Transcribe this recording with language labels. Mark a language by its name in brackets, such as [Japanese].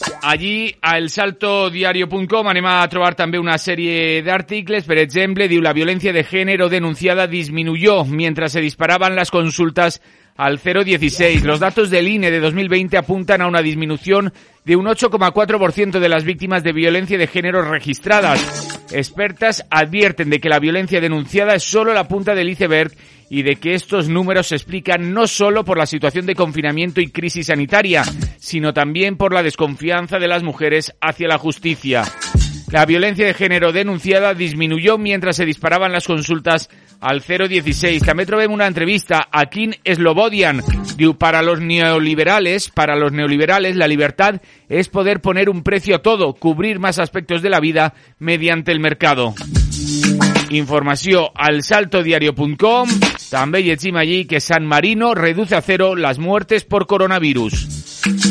[Catalan] allí a elsaltodiario.com anem a trobar també una sèrie d'articles. Per exemple, diu: [Spanish] la violència de gènere denunciada disminuyó mientras se disparaban las consultas al 016. Los datos del INE de 2020 apuntan a una disminución de un 8,4% de las víctimas de violencia de género registradas. Expertas advierten de que la violencia denunciada es solo la punta del iceberg y de que estos números se explican no solo por la situación de confinamiento y crisis sanitaria, sino también por la desconfianza de las mujeres hacia la justicia. La violencia de género denunciada disminuyó mientras se disparaban las consultas al 016. También [Catalan] trobem una entrevista a Kim Slobodian. Diu: [Spanish] para los neoliberales, la libertad es poder poner un precio a todo, cubrir más aspectos de la vida mediante el mercado. [Catalan] Informació al saltodiario.com. També llegim allí que [Spanish] San Marino reduce a cero las muertes por coronavirus.